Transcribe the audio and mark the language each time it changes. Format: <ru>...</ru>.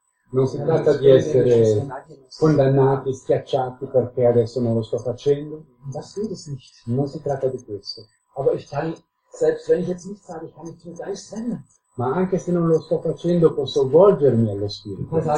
<it>Non si tratta di essere condannati, schiacciati perché adesso non lo sto facendo. Non si tratta di questo.</it> <de>Selbst wenn ich jetzt nicht sage, ich kann mich zum Geist wenden.</de> <it>Ma anche se non lo sto facendo, posso volgermi allo Spirito.</it>